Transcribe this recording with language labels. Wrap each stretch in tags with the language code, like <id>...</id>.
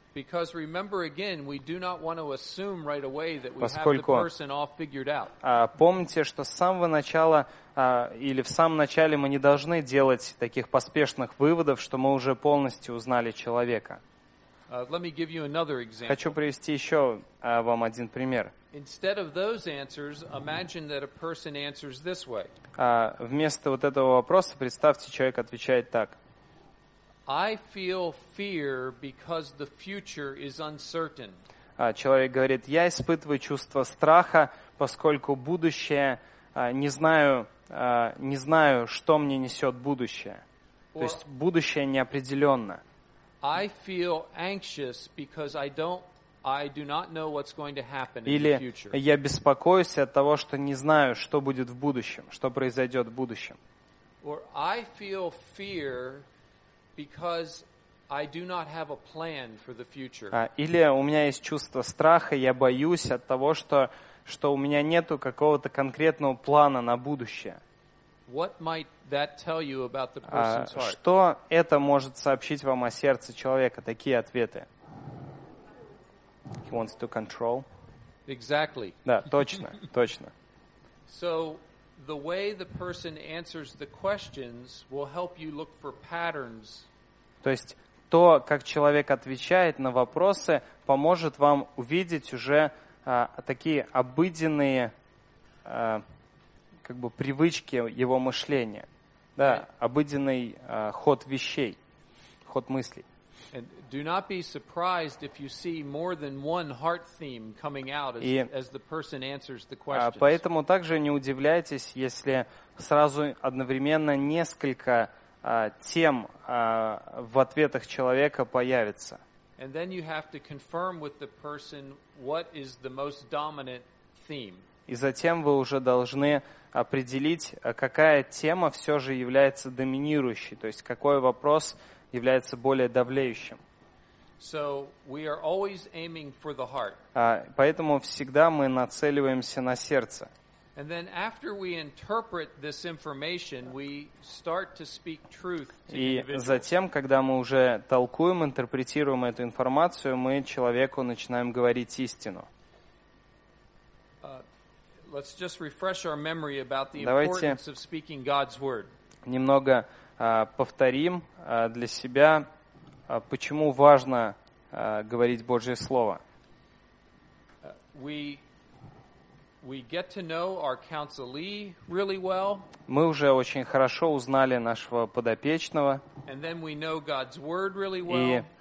<en>Because remember again, we do not want to assume right away that we have the person all figured out.</en> <ru>Помните, что с самого начала или в самом начале мы не должны делать таких поспешных выводов, что мы уже полностью узнали человека.</ru> <en>Let me give you another example.</en> <ru>Хочу привести еще вам один пример.</ru> <en>Instead of those answers, imagine that a person answers this way.</en> <ru>Вместо вот этого вопроса представьте, человек отвечает так.</ru> <en>I feel fear because the future is uncertain.</en> <ru>Человек говорит, я испытываю чувство страха, поскольку будущее, не знаю, что мне несет будущее. То есть будущее неопределенно.</ru> <en>I feel anxious because I do not know what's going to happen in the future.</en> <ru>Или я беспокоюсь от того, что не знаю, что будет в будущем, что произойдет в будущем.</ru> <en>Or I feel fear because I do not have a plan for the future.</en> <ru>Или у меня есть чувство страха, я боюсь от того, что у меня нету какого-то конкретного плана на будущее.</ru> <en>What might that tell you about the person's heart?</en> <ru>Что это может сообщить вам о сердце человека? Такие ответы.</ru> <en>He wants to control. Exactly.</en> <ru>Да, точно, точно.</ru> <en>So the way the person answers the questions will help you look for patterns.</en> <ru>То есть то, как человек отвечает на вопросы, поможет вам увидеть уже такие обыденные как бы привычки его мышления, да, обыденный ход вещей, ход мыслей.</ru> <en>And do not be surprised if you see more than one heart theme coming out as the person answers the questions.</en> <ru>Поэтому также не удивляйтесь, если сразу одновременно несколько тем в ответах человека появится.</ru> <en>And then you have to confirm with the person what is the most dominant theme.</en> <ru>И затем вы уже должны определить, какая тема все же является доминирующей, то есть какой вопрос является более давлеющим.</ru> <en>So we are always aiming for the heart.</en> <ru>Поэтому всегда мы нацеливаемся на сердце.</ru> <en>And then after we interpret this information, we start to speak truth to individuals.</en> <ru>И затем, когда мы уже толкуем, интерпретируем эту информацию, мы человеку начинаем говорить истину.</ru> <en>Let's just refresh our memory about the importance of speaking God's word.</en> <ru>Давайте немного повторим для себя, почему важно говорить Божье слово.</ru> <en>We get to know our counselee really well.</en> <ru>Мы уже очень хорошо узнали нашего подопечного.</ru> <en>And then we know God's word really well.</en>